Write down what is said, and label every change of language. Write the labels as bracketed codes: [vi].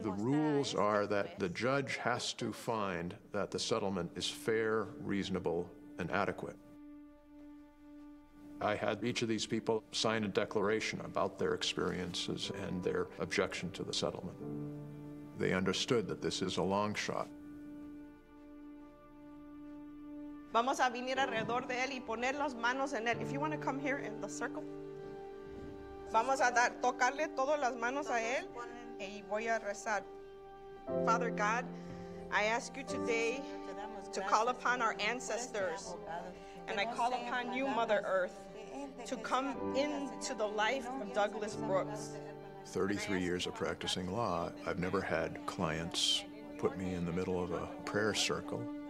[en] the rules are that the judge has to find that the settlement is fair, reasonable, and adequate. I had each of these people sign a declaration about their experiences and their objection to the settlement. They understood that this is a long shot. [es] Vamos a venir alrededor de él y poner las manos en él. [en] If you want to come here in the circle. [es] Vamos a dar, tocarle todas las manos a él y voy a rezar. [en] Father God, I ask you today to call upon our ancestors. And I call upon you, Mother Earth, to come into the life of Douglas Brooks. 33 years of practicing law, I've never had clients put me in the middle of a prayer circle.